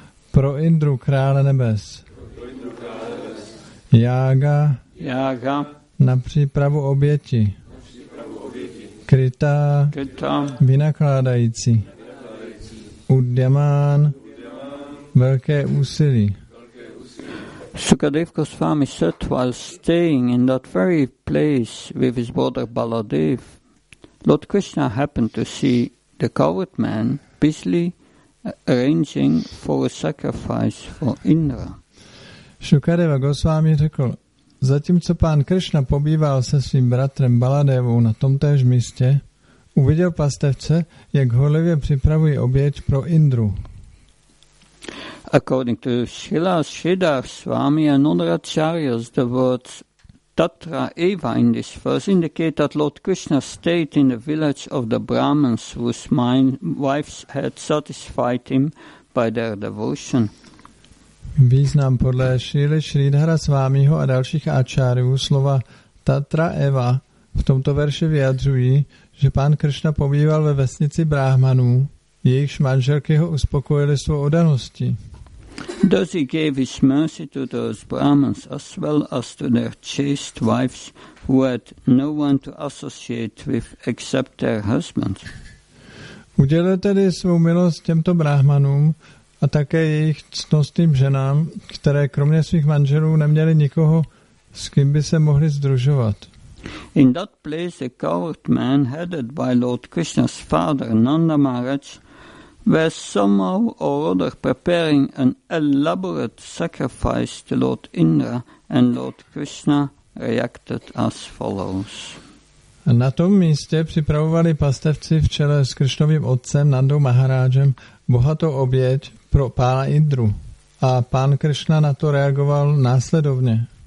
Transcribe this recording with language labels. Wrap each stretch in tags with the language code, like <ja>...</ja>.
<cs>pro Indru krále nebes Yaga na přípravu oběti Krita vynakládající Udyaman velké úsilí.</cs> <en>Sukadev Goswami said while staying in that very place with his brother Baladev, Lord Krishna happened to see the coward man busily arranging for a sacrifice for Indra.</en> <cs>Sukadeva Goswami řekl, zatímco pán Krishna pobýval se svým bratrem Baladevou na tomtéž místě, uviděl pastevce, jak horlivě připravují oběť pro Indru.</cs> <en>According to Srila Sridhar Swami and other acharyas, the words Tatra Eva in this verse indicate that Lord Krishna stayed in the village of the Brahmins whose wives had satisfied him by their devotion.</en> <cs>Význam podle Srila Sridhara Swamiho a dalších acharyů slova Tatra Eva v tomto verši vyjadřují, že pán Krišna pobýval ve vesnici bráhmanů, jejichž manželky ho uspokojily svou oddaností.</cs> <en>Thus he gave his mercy to those Brahmins as well as to their chaste wives who had no one to associate with except their husbands.</en> <cs>Udělil tedy svou milost těmto brahmanům a také jejich ctnostným ženám, které kromě svých manželů neměly nikoho, s kým by se mohli združovat.</cs> <en>In that place a coward man headed by Lord Krishna's father Nanda Maharaj was somehow or other preparing an elaborate sacrifice to Lord Indra, and Lord Krishna reacted as follows.</en> <cs>Na tom místě připravovali pastevci v čele s Krišnovým otcem Nandou Maharajem bohatou oběť pro pána Indru a pán Krišna na to reagoval následovně.</cs>